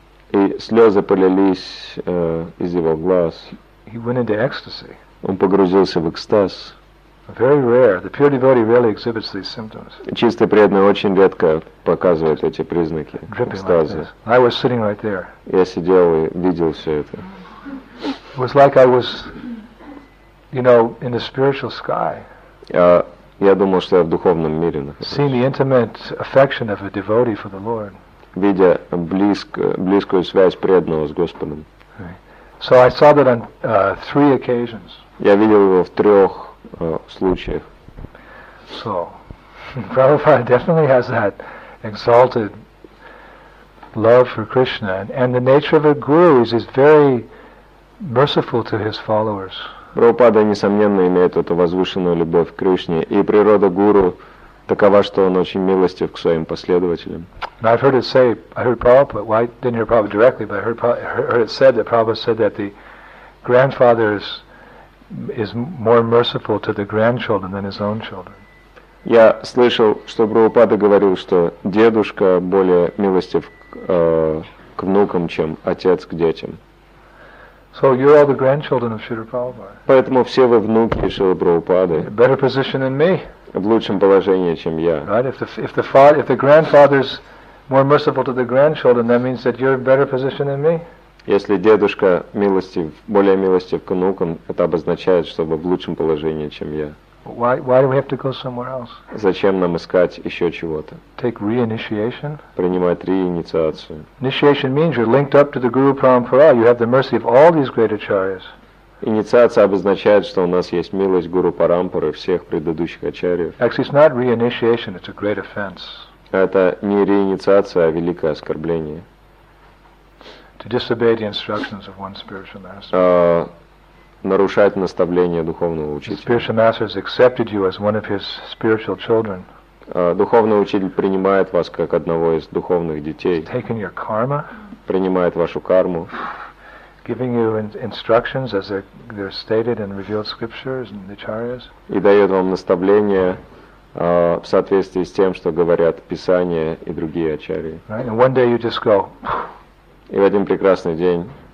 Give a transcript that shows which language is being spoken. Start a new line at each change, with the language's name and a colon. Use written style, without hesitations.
Russian: И слезы полились из его глаз.
English: He went into ecstasy.
Russian: он погрузился в экстаз.
English: Very rare. The pure devotee really exhibits these symptoms.
Russian: Чистый преданный очень редко показывает эти признаки экстаза.
English: I was sitting right there.
Russian: Я сидел и видел все это.
English: It was like I was, you know, in the spiritual sky.
Russian: Я думал, что я в духовном мире нахожусь.
English: Seeing the intimate affection of a devotee for the Lord.
Russian: Видя близкую связь преданного с Господом.
English: So I saw that on three occasions.
Russian: Я видел его в трех случаях.
English: So, Prabhupada definitely has that exalted love for Krishna, and the nature of a guru is he's very merciful to his followers.
Russian: Прабхупада, несомненно, имеет эту возвышенную любовь к Кришне, и природа гуру такова, что он очень милостив к своим последователям.
English: And I've heard it say, I heard Prabhupada, well, I didn't hear Prabhupada directly, but I heard it said that Prabhupada said that the grandfather is more merciful to the grandchildren than his own children.
Russian: Я слышал, что Прабхупада говорил, что дедушка более милостив к внукам, чем отец к детям.
English: So you're all the grandchildren of Śrīla Prabhupāda.
Russian: Поэтому все вы внуки Śrīla Prabhupāda.
English: Better position than me.
Russian: В лучшем положении, чем я.
English: Right? If the grandfather's more merciful to the grandchildren, that means that you're in better position than me.
Russian: Если дедушка милостив, более милостив к внукам, это обозначает, что вы в лучшем положении, чем я.
English: Why do we have to go somewhere else?
Russian: Зачем нам искать еще чего-то?
English: Take re-initiation.
Russian: Принимать реинициацию.
English: Initiation means you're linked up to the Guru Parampara. You have the mercy of all these great acharyas.
Russian: Инициация обозначает, что у нас есть милость Гуру Парампуры, всех предыдущих ачарьев.
English: Actually, it's not re-initiation, it's a great offense.
Russian: Это не реинициация, а великое оскорбление.
English: To disobey the instructions of one spiritual master.
Russian: Нарушать наставление духовного учителя.
English: The spiritual master has accepted you as one of his spiritual children.
Russian: Духовный учитель принимает вас как одного из духовных детей.
English: He's taken your karma.
Russian: Принимает вашу карму.
English: Giving you instructions as they're stated in revealed scriptures and the acharyas.
Russian: И дает вам наставления в соответствии с тем, что говорят Писания и другие ачарьи.
English: Right? And one day you just go.
Russian: И в один прекрасный день.